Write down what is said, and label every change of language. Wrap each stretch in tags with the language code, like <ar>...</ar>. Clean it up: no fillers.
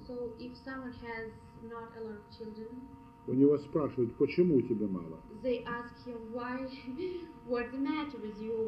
<en>so if someone has not a lot of children,</en> <ru>у него спрашивают, почему у тебя мало?</ru> <en>They ask him why, what's the matter with you?</en>